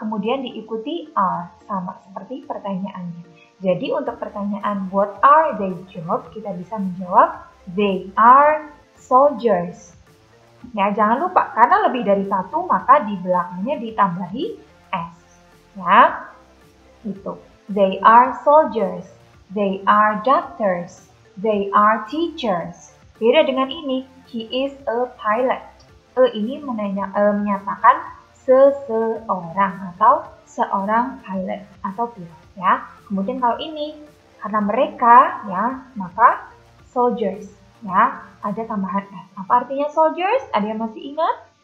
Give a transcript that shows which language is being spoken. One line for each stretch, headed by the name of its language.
Indonesian: Kemudian diikuti are, sama seperti pertanyaannya. Jadi, untuk pertanyaan
English: what are they job,
Indonesian: kita bisa menjawab
English: they are soldiers.
Indonesian: Ya, jangan lupa, karena lebih dari satu, maka di belakangnya ditambahi s, ya. Itu.
English: They are soldiers, they are doctors, they are teachers.
Indonesian: Beda dengan ini,
English: he is a pilot.
Indonesian: A ini menyatakan seseorang atau seorang pilot atau pilot, ya. Kemudian kalau ini, karena mereka, ya, maka soldiers, ya, ada tambahan S. Apa artinya soldiers? Ada yang masih ingat?